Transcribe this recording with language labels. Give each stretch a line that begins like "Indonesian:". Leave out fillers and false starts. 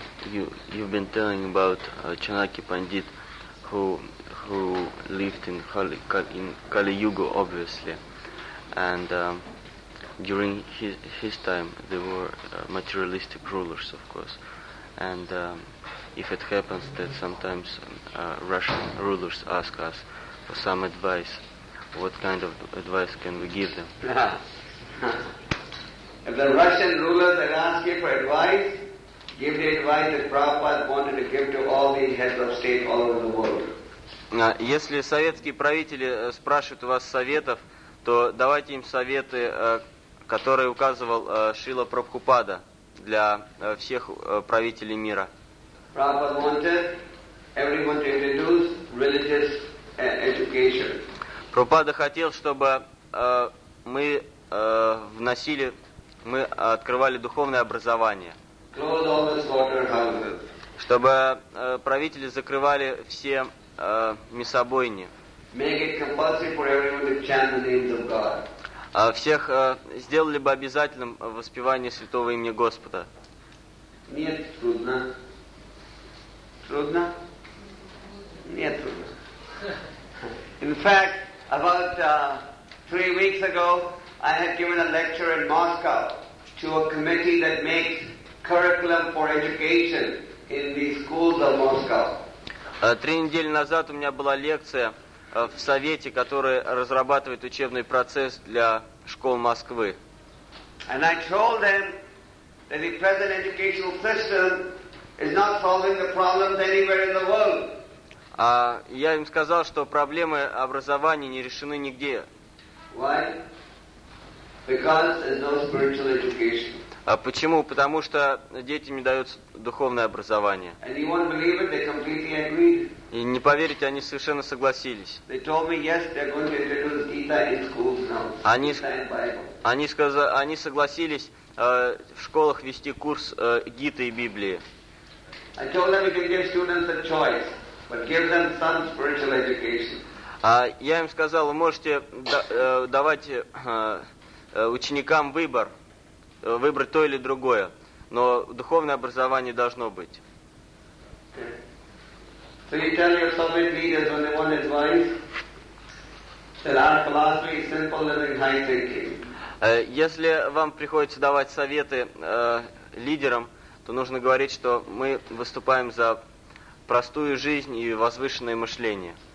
English: You've been telling about Chanaki Pandit who lived in Kali Yuga, obviously, and during his time there were materialistic rulers, of course, and if it happens that sometimes Russian rulers ask us for some advice, what kind of advice can we give them? If the Russian rulers had asked you for advice, give the advice that Prabhupada wanted to give to all the heads of state all over the world.
Russian: Если советские правители спрашивают у вас советов, то давайте им советы, которые указывал Шрила Прабхупада для всех правителей мира.
English: Prabhupada wanted everyone to introduce religious education.
Russian: Прабхупада хотел, чтобы мы вносили, мы открывали духовное образование.
English: Close all the slaughterhouses.
Russian: Чтобы правители закрывали все мясобойни.
English: Make it compulsory for everyone to chant the names of God.
Russian: Всех сделали бы обязательным воспевание святого имени Господа. Нет, трудно. Трудно? Нет, трудно.
English: In fact, about 3 weeks ago, I had given a lecture in Moscow to a committee that makes curriculum for education in the schools of Moscow.
Russian: 3 недели назад у меня была лекция в совете, который разрабатывает учебный процесс для школ Москвы.
English: And I told them that the present educational system is not solving the problems anywhere in the world.
Russian: Я им сказал, что проблемы образования не решены нигде.
English: Why? Because there's no spiritual education.
Russian: А почему? Потому что детям не дается духовное образование.
English: And you won't believe it, they completely agreed.
Russian: И не поверите, они совершенно согласились.
English: They told me, yes, they're going to introduce Gita in schools now.
Russian: Они согласились в школах вести курс Гиты и Библии.
English: I told them you can give students a choice, but give them some spiritual education.
Russian: Я им сказал, вы можете давать ученикам выбор. Выбрать то или другое. Но духовное образование должно быть.
English: So you tell your Soviet leaders when they want advice that our philosophy is simple living, high thinking.
Russian: Если вам приходится давать советы лидерам, то нужно говорить, что мы выступаем за простую жизнь и возвышенное мышление.